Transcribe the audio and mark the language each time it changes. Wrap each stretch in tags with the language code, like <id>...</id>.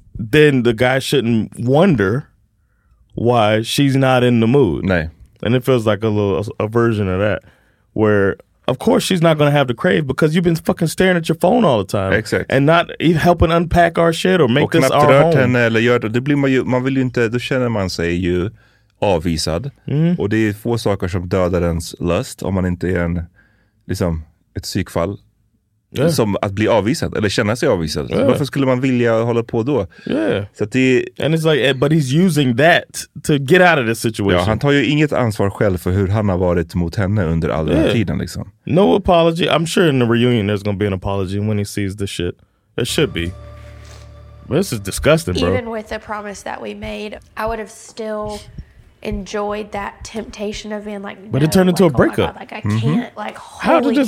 <en>Then the guy shouldn't wonder why she's not in the mood. Nah. And it feels like a little a version of that, where of course she's not gonna have the crave because you've been fucking staring at your phone all the time. Exactly. And not even helping unpack our shit or make us our home.</en> <sv>Henne eller gör det, det blir man ju, man vill ju inte, då känner man sig ju avvisad. Mm. Och det är få saker som dödar ens lust om man inte är en, liksom, ett psykfall.</sv> <en>Yeah.</en> <sv>Som att bli avvisad eller känna sig avvisad.</sv> <en>Yeah.</en> <sv>Varför skulle man vilja hålla på då?</sv> <en>Yeah.</en> <sv>Så att det,</sv> <en>and it's like, but he's using that to get out of this situation.</en> <sv>Ja, han tar ju inget ansvar själv för hur han har varit mot henne under all den tiden liksom.</sv> <en>No apology. I'm sure in the reunion there's gonna be an apology when he sees this shit. It should be. This is disgusting, bro. Even with the promise that we made, I would have still enjoyed that temptation of being like, but no, it turned into like, a breakup. Oh, like I can't, mm-hmm, like, holy how did this</en>